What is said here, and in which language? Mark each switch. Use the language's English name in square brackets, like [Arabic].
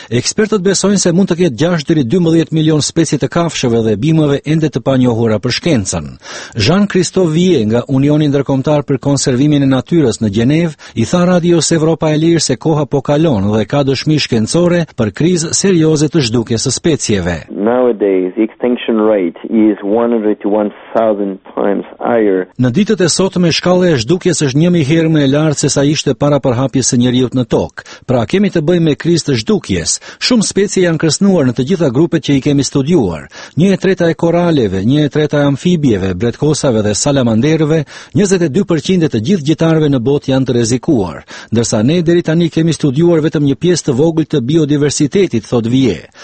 [Albanian] Ekspertët besojnë se mund të ketë 6 deri 12 milion specie të kafshëve dhe bimëve ende të panjohura për shkencën. Jean-Christophe nga Unioni Ndërkombëtar për Konservimin e Natyrës në Gjenevë i tha Radios Evropa e Lirë se koha po kalon dhe ka dëshmi shkencore për krizë serioze të zhdukjes së specieve. [English] Nowadays, the extinction rate is 100 to 1000 times higher. [Albanian] Në ditët e sotme shkalla e zhdukjes është 1000 herë më e lartë se sa ishte para përhapjes së njerëzit në tokë. Pra kemi të bëjmë me krizë të zhdukjes. Shumë specie janë kërcënuar në të gjitha grupet që i kemi studiuar. 1/3 e koraleve, 1/3 e amfibieve, bretkosave dhe salamanderëve, 22% e të gjithë gjitarëve në botë janë të rrezikuar, ndërsa ne deri tani kemi studiuar vetëm një pjesë të vogël të biodiversitetit, thot Vie.